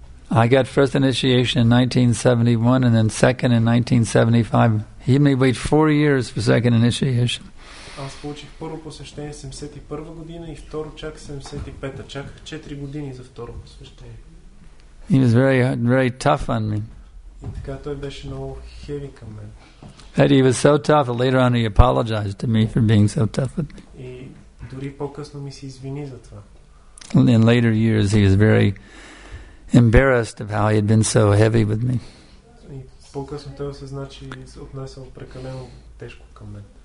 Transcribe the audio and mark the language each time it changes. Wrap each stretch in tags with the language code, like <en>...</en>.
<en>I got first initiation in 1971 and then second in 1975. He made me wait 4 years for second initiation.</en> <bg>Аз получих първо посещение 71-а година и второ чак 75-а. Чаках 4 години за второ посещение.</bg> <en>He was very, very tough on me.</en> <bg>И така той беше много heavy към мен.</bg> <en>And he was so tough, later on he apologized to me for being so tough with me.</en> <bg>И дори по-късно ми се извини за това.</bg> <en>And in later years he was very embarrassed of how he had been so heavy with me.</en> <bg>И по-късно той осъзна, че се отнесъл прекалено тежко към мен.</bg>